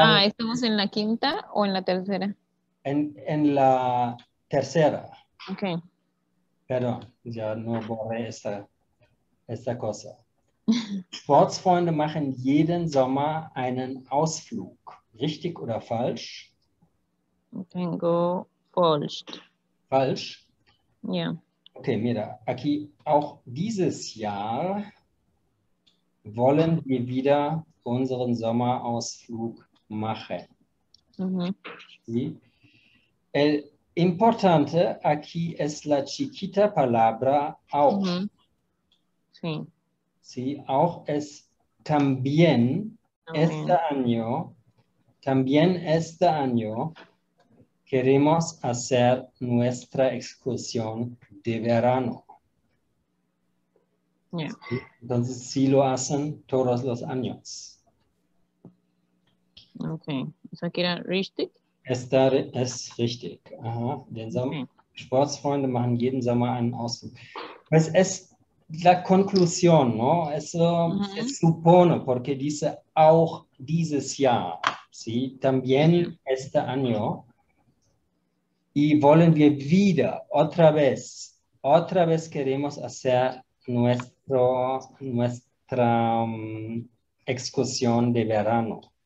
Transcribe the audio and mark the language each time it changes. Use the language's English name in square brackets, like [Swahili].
[Spanish] Ah, ¿estamos en la quinta o en la tercera? En la tercera. Ok. Perdón, ya no borré esta cosa. [German] Sportsfreunde machen jeden Sommer einen Ausflug. Richtig oder falsch? [Spanish] Tengo falsch. [German] Falsch? Ja. Yeah. [Spanish] Okay, mira, aquí, [German] auch dieses Jahr wollen wir wieder unseren Sommerausflug machen. Mm-hmm. [Spanish] Sí. El importante aquí es la chiquita palabra auch. Mm-hmm. Sí. Sí, auch es también este año, también este año queremos hacer nuestra excursión de verano. Yeah. Entonces, sí lo hacen todos los años. Ok. ¿Es aquí era richtig? Es richtig. Ajá. [German] Den Sportsfreunde machen jeden Sommer einen Ausflug. [Spanish] Pues es la conclusión, ¿no? Eso se supone, porque dice [German] auch dieses Jahr. [Spanish] Sí, también este año. Y [German] wollen wir wieder, [Spanish] otra vez queremos hacer nuestra excursión de verano.